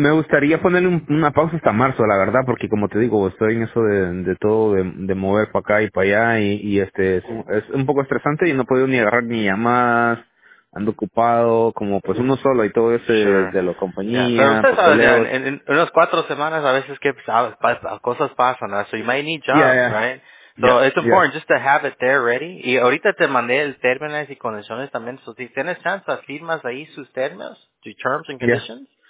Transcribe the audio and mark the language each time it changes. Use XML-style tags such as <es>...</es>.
<es>me gustaría ponerle una pausa hasta marzo, la verdad, porque como te digo, estoy en eso de todo, de mover para acá y para allá, y es un poco estresante y no puedo ni agarrar ni llamadas, ando ocupado, como pues uno solo y todo ese</es> <en>Sure.</en> <es>de la Yeah. Pero compañía, usted sabe, papeleos. en unas 4 semanas a veces que cosas pasan, ¿no?</es> <en>So you might need jobs, right? So it's important just to have it there ready.</en> <es>Y ahorita te mandé el términos y condiciones también. So si tienes chance, firmas ahí sus términos,</es> <en>the terms and conditions.</en>